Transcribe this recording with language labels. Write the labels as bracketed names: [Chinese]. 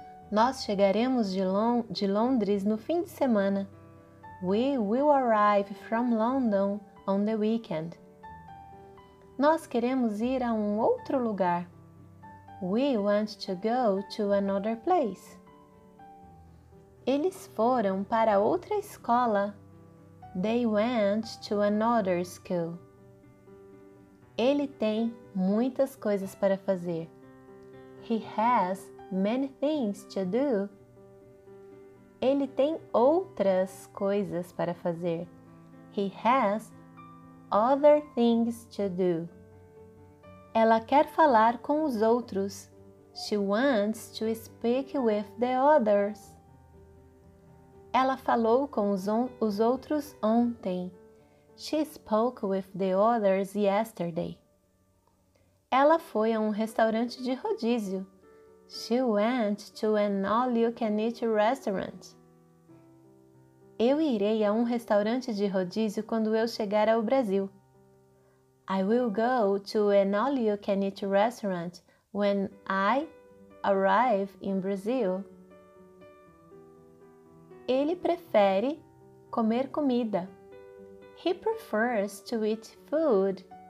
[Portuguese] Nós chegaremos de Londres no fim de semana. [English] We will arrive from London on the weekend. [Portuguese] Nós queremos ir a um outro lugar. [English] We want to go to another place. [Portuguese] Eles foram para outra escola. [English] They went to another school. [Portuguese] Ele tem muitas coisas para fazer. [English] He has many things to do. [Portuguese] Ele tem outras coisas para fazer. [English] He has other things to do. [Portuguese] Ela quer falar com os outros. [English] She wants to speak with the others. [Portuguese] Ela falou com os outros ontem. [English] She spoke with the others yesterday. [Portuguese] Ela foi a um restaurante de rodízio. [English] She went to an all-you-can-eat restaurant. [Portuguese] Eu irei a um restaurante de rodízio quando eu chegar ao Brasil. [English] I will go to an all-you-can-eat restaurant when I arrive in Brazil. [Portuguese] Ele prefere comer comida. [English] He prefers to eat food.